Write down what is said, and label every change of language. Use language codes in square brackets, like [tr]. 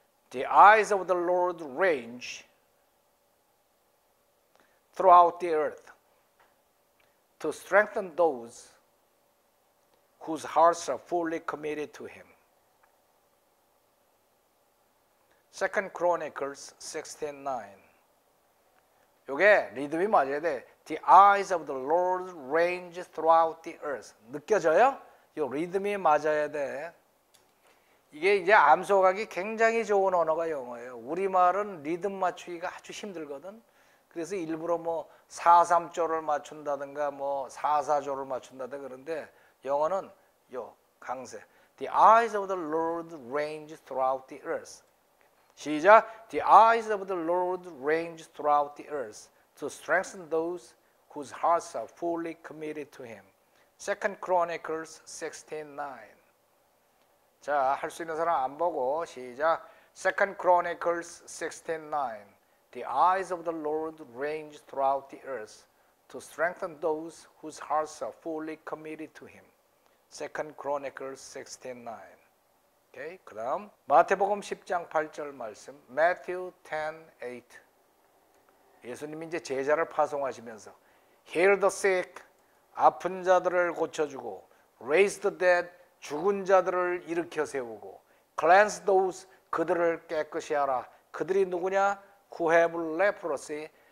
[en] The eyes of the Lord range throughout the earth to strengthen those whose hearts are fully committed to him. 2 Chronicles 16:9. [ko] 요게 리듬이 맞아야 돼. [en] The eyes of the Lord range throughout the earth. [ko] 느껴져요? 요 리듬이 맞아야 돼. 이게 이제 암송하기 굉장히 좋은 언어가 영어예요. 우리말은 리듬 맞추기가 아주 힘들거든. 그래서 일부러 뭐 4-3조를 맞춘다든가 뭐 4-4조를 맞춘다든가 그런데 영어는 요 강세. [en] The eyes of the Lord range throughout the earth. [ko] 시작. [en] The eyes of the Lord range throughout the earth to strengthen those whose hearts are fully committed to him. 2 Chronicles 16:9. [ko] 자, 할 수 있는 사람 안 보고 시작. [en] 2 Chronicles 16:9. The eyes of the Lord range throughout the earth to strengthen those whose hearts are fully committed to him. 2 Chronicles 16:9. 오케이. [ko] 그다음 마태복음 10장 8절 말씀. [en] Matthew 10:8. [ko] 예수님이 이제 제자를 파송하시면서 [en] Heal the sick, [ko] 아픈 자들을 고쳐주고 [en] Raise the dead, [ko] 죽은 자들을 일으켜 세우고 [en] Cleanse those, [ko] 그들을 깨끗이 하라. 그들이 누구냐? [en] Who have leprosy,